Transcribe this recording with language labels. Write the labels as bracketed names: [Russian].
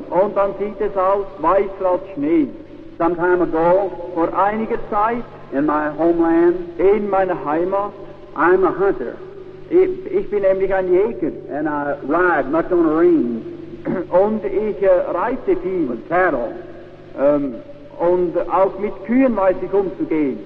[German] Und dann sieht es aus weißer als Schnee. [English] Some time ago, [German] vor einiger Zeit, [English] in my homeland, [German] in meiner Heimat. [English] I'm a hunter. [German] Ich bin nämlich ein Jäger. [English] And I ride much on a range. [German] Und ich reite viel. [English] With cattle. [German] Und auch mit Kühen weiß ich umzugehen.